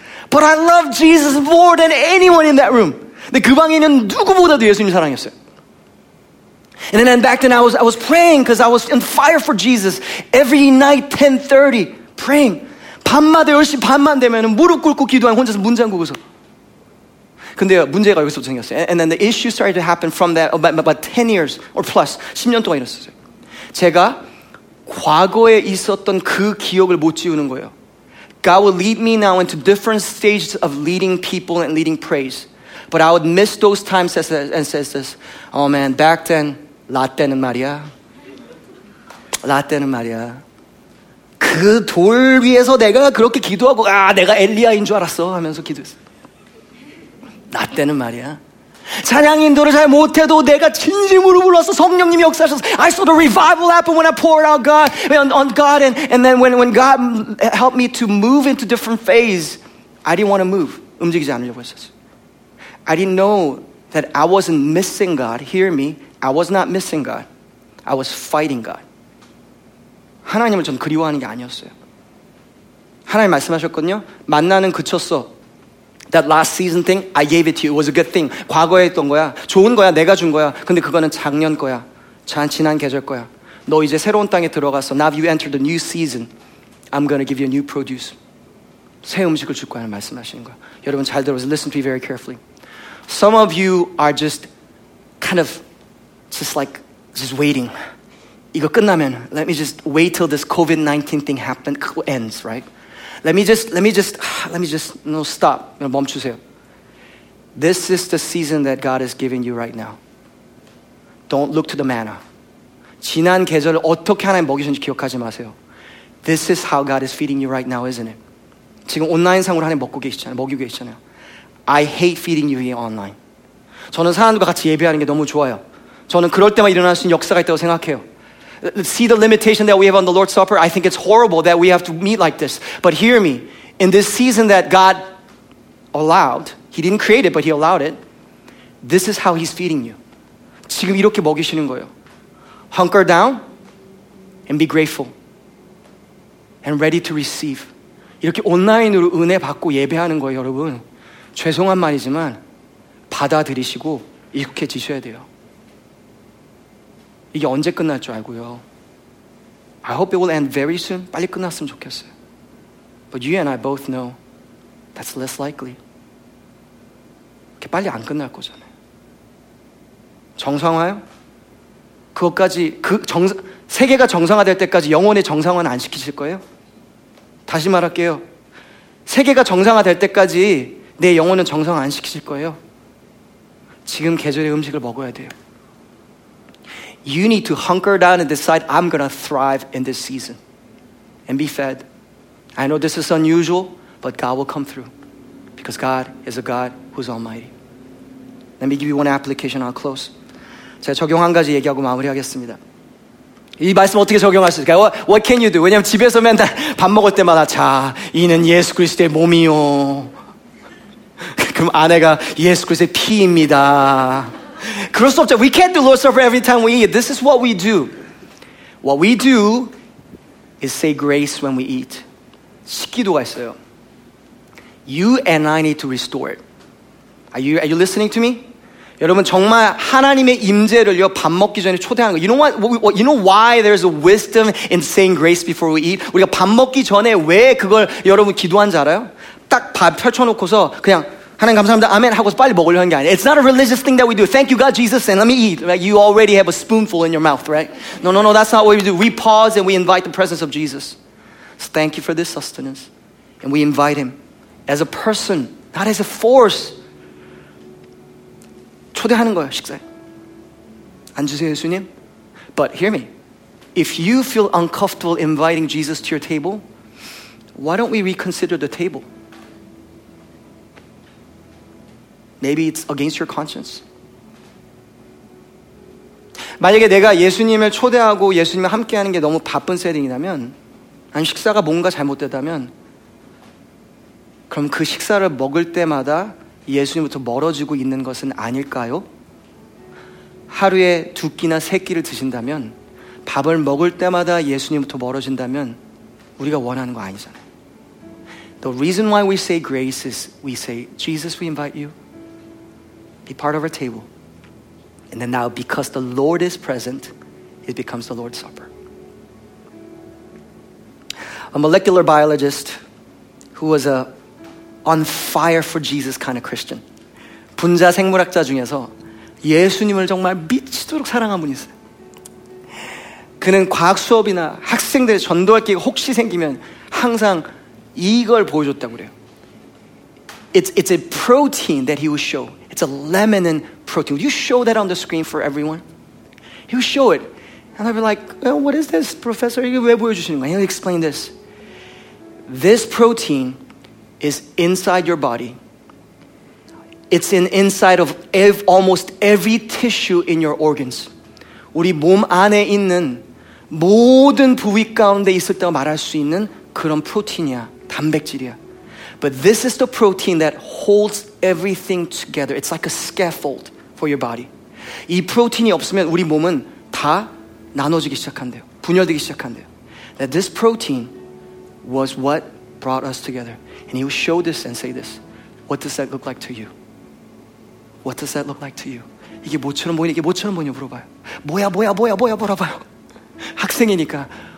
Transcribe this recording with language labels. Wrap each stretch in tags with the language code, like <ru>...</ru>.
<en>But I loved Jesus more than anyone in that room.</en> <ko>근데 그 방에 있는 누구보다도 예수님을 사랑했어요.</ko> <en>And then back then I was praying because I was on fire for Jesus every night 10:30 praying</en> <ko>밤마다 10시 반만 되면은 무릎 꿇고 기도하고 혼자서 문장 구고서 근데 문제가 여기서 생겼어요.</ko> <en>And then the issue started to happen from that about 10 years or plus</en> <ko>10년 동안 이랬었어요. 제가 과거에 있었던 그 기억을 못 지우는 거예요.</ko> <en>God will lead me now into different stages of leading people and leading praise. But I would miss those times and says this, oh man, back then,</en> <ko>나 때는 말이야. 나 때는 말이야. 그 돌 위에서 내가 그렇게 기도하고, 아, 내가 엘리야인 줄 알았어 하면서 기도했어. 나 때는 말이야. 찬양 인도를 잘 못해도 내가 진심으로 불렀어. 성령님이 역사하셨어.</ko> <en>I saw the revival happen when I poured out God on God and then when God helped me to move into different phase, I didn't want to move.</en> <ko>움직이지 않으려고 했었어.</ko> <en>I didn't know that I wasn't missing God. Hear me. I was not missing God. I was fighting God.</en> <ko>하나님을 전 그리워하는 게 아니었어요. 하나님 말씀하셨거든요. 만나는 그쳤어.</ko> <en>That last season thing, I gave it to you. It was a good thing.</en> <ko>과거에 했던 거야. 좋은 거야. 내가 준 거야. 근데 그거는 작년 거야. 지난 계절 거야. 너 이제 새로운 땅에 들어갔어.</ko> <en>Now you entered a new season. I'm going to give you a new produce.</en> <ko>새 음식을 줄 거야. 말씀하시는 거야. 여러분 잘 들어보세요.</ko> <en>Listen to me very carefully. Some of you are just kind of just like just waiting.</en> <ko>이거 끝나면</ko> <en>let me just wait till this COVID-19 thing happen ends, right? Let me just no stop.</en> <ko>멈추세요.</ko> <en>This is the season that God is giving you right now. Don't look to the manna.</en> <ko>지난 계절 어떻게 하나님 먹이셨는지 기억하지 마세요.</ko> <en>This is how God is feeding you right now, isn't it?</en> <ko>지금 온라인 상으로 하나님 먹고 계시잖아요. 먹이고 계시잖아요.</ko> <en>I hate feeding you here online.</en> <ko>저는 사람들과 같이 예배하는 게 너무 좋아요. 저는 그럴 때만 일어날 수 있는 역사가 있다고 생각해요.</ko> <en>See the limitation that we have on the Lord's Supper? I think it's horrible that we have to meet like this. But hear me. In this season that God allowed, He didn't create it, but He allowed it, this is how He's feeding you.</en> <ko>지금 이렇게 먹이시는 거예요.</ko> <en>Hunker down and be grateful and ready to receive.</en> <ko>이렇게 온라인으로 은혜 받고 예배하는 거예요, 여러분. 죄송한 말이지만 받아들이시고 익숙해지셔야 돼요. 이게 언제 끝날 줄 알고요.</ko> <en>I hope it will end very soon.</en> <ko>빨리 끝났으면 좋겠어요.</ko> <en>But you and I both know that's less likely.</en> <ko>그게 빨리 안 끝날 거잖아요. 정상화요? 그것까지 세계가 정상화될 때까지 영혼의 정상화는 안 시키실 거예요? 다시 말할게요. 세계가 정상화될 때까지 내 영혼은 정상화 안 시키실 거예요? 지금 계절의 음식을 먹어야 돼요.</ko> <en>You need to hunker down and decide, I'm going to thrive in this season and be fed. I know this is unusual, but God will come through because God is a God who's almighty. Let me give you one application, I'll close.</en> <ko>제가 적용 한 가지 얘기하고 마무리하겠습니다. 이 말씀 어떻게 적용할 수 있을까요?</ko> <en>What can you do?</en> <ko>왜냐하면 집에서 맨날 밥 먹을 때마다 자, 이는 예수 그리스도의 몸이요. 그럼 아내가 예수 그리스도의 피입니다. 그럴 수 없죠.</ko> <en>We can't do Lord's Supper every time we eat. This is what we do. What we do is say grace when we eat.</en> <ko>식기도가 있어요.</ko> <en>You and I need to restore it. Are you listening to me?</en> <ko>여러분 정말 하나님의 임재를요 밥 먹기 전에 초대하는 거.</ko> <en>You know why there's a wisdom in saying grace before we eat?</en> <ko>우리가 밥 먹기 전에 왜 그걸 여러분 기도하는지 알아요? 딱 밥 펼쳐놓고서 그냥 하나님 감사합니다. 아멘 하고 빨리 먹으려는 게 아니에요.</ko> <en>It's not a religious thing that we do. Thank you God Jesus and let me eat. Right? You already have a spoonful in your mouth, right? No, that's not what we do. We pause and we invite the presence of Jesus. So thank you for this sustenance. And we invite him as a person, not as a force.</en> <ko>초대하는 거예요, 식사에. 앉으세요, 예수님.</ko> <en>But hear me. If you feel uncomfortable inviting Jesus to your table, why don't we reconsider the table? Maybe it's against your conscience.</en> <ko>만약에 내가 예수님을 초대하고 예수님과 함께하는 게 너무 바쁜 세팅이라면 아니 식사가 뭔가 잘못됐다면 그럼 그 식사를 먹을 때마다 예수님부터 멀어지고 있는 것은 아닐까요? 하루에 두 끼나 세 끼를 드신다면 밥을 먹을 때마다 예수님부터 멀어진다면 우리가 원하는 거 아니잖아요.</ko> <en>The reason why we say grace is we say, Jesus, we invite you. Be part of our table. And then now, because the Lord is present, it becomes the Lord's Supper. A molecular biologist who was a on fire for Jesus kind of Christian.</en> <ko>분자 생물학자 중에서 예수님을 정말 미치도록 사랑한 분이 있어요. 그는 과학 수업이나 학생들의 전도할 기회가 혹시 생기면 항상 이걸 보여줬다고 그래요.</ko> <en>It's a protein that he will show. It's a laminin protein. Will you show that on the screen for everyone? He'll show it. And I'll be like, well, what is this, professor?</en> <ko>이게 왜 보여주시는 거야?</ko> <en>He'll explain this. This protein is inside your body. It's inside of almost every tissue in your organs.</en> <ko>우리 몸 안에 있는 모든 부위 가운데 있었다고 말할 수 있는 그런 프로틴이야. 단백질이야.</ko> <en>But this is the protein that holds everything together. It's like a scaffold for your body.</en> <ko>이 프로틴이 없으면 우리 몸은 다 나눠지기 시작한대요. 분열되기 시작한대요.</ko> <en>That this protein was what brought us together. And he will show this and say this. What does that look like to you? What does that look like to you?</en> <ko>이게 뭐처럼 보이냐? 이게 뭐처럼 보이냐? 물어봐요. 뭐야? 뭐야? 뭐야? 뭐야? 물어봐요. 학생이니까.</ko>